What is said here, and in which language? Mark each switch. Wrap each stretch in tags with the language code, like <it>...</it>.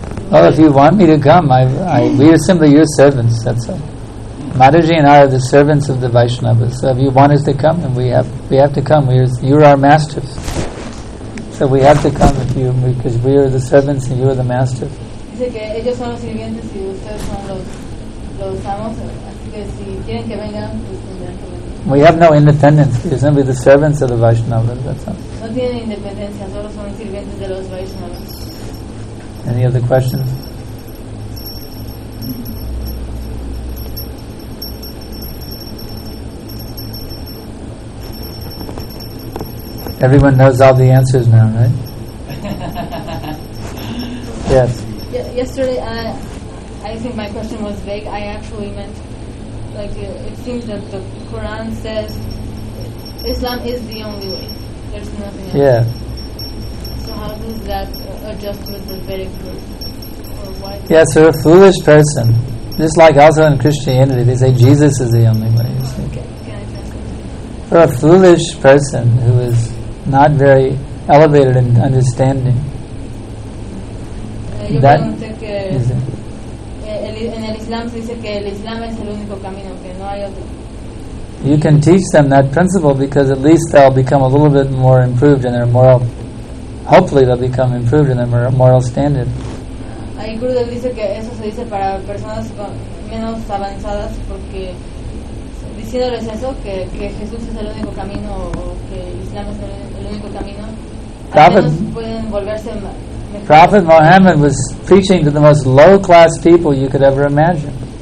<en>Well, if you want me to come, we are simply your servants, that's all. Mataji and I are the servants of the Vaishnavas. So if you want us to come, then we have to come. You're our masters. So we have to come with you because we are the servants and you are the master.</en> <es>Dice que ellos son los sirvientes y ustedes son los amos, así que si quieren que vengan, pues tendrán que venir.</es> <en>We have no independence. We're simply the servants of the Vaishnavas.</en> <es>No tienen independencia, solo son sirvientes de los Vaishnavas.</es> <en>Any other questions? Everyone knows all the answers now, right? Yes. Yesterday, I think my question was vague. I actually meant, like, it seems that the Quran says Islam is the only way. There's nothing else. Yeah. So how does that adjust with the Vedic group? Yeah, so a foolish person, just like also in Christianity, they say Jesus is the only way. Okay, can I translate? For a foolish person who is not very elevated in understanding, that is it.</en> <es>En el Islam se dice que el Islam es el único camino, que no hay otro.</es> <en>you can teach them that principle, because at least they'll become a little bit more improved in their moral, hopefully they'll become improved in their moral standard.</en> <es>Ahí Gurudev dice que eso se dice para personas menos avanzadas, porque diciéndoles eso, que Jesús es el único camino, o que Islam es el único camino,</es> <en>Prophet,</en> <es>pueden volverse mejor.</es> <en>Prophet Muhammad was preaching to the most low class people you could ever imagine.</en>